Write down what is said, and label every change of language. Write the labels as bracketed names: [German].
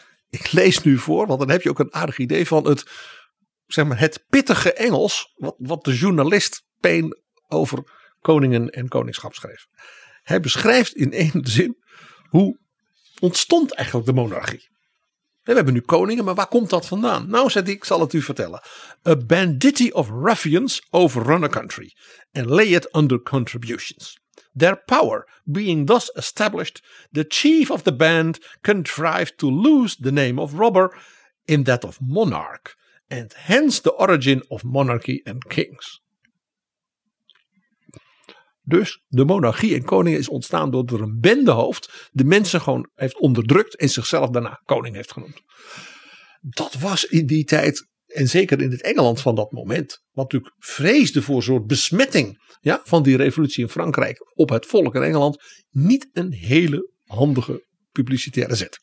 [Dutch] Ik lees nu voor, want dan heb je ook een aardig idee van het, zeg maar, het pittige Engels. Wat de journalist Paine over koningen en koningschap schreef. Hij beschrijft in één zin hoe ontstond eigenlijk de monarchie. We hebben nu koningen, maar waar komt dat vandaan? Nou, zei hij, ik zal het u vertellen. [English] A banditti of ruffians overrun a country and lay it under contributions. Their power being thus established, the chief of the band contrived to lose the name of robber in that of monarch, and hence the origin of monarchy and kings. [Dutch] Dus de monarchie en koningen is ontstaan doordat er een bendehoofd de mensen gewoon heeft onderdrukt en zichzelf daarna koning heeft genoemd. Dat was in die tijd, en zeker in het Engeland van dat moment, wat natuurlijk vreesde voor een soort besmetting, ja, van die revolutie in Frankrijk op het volk in Engeland, niet een hele handige publicitaire zet.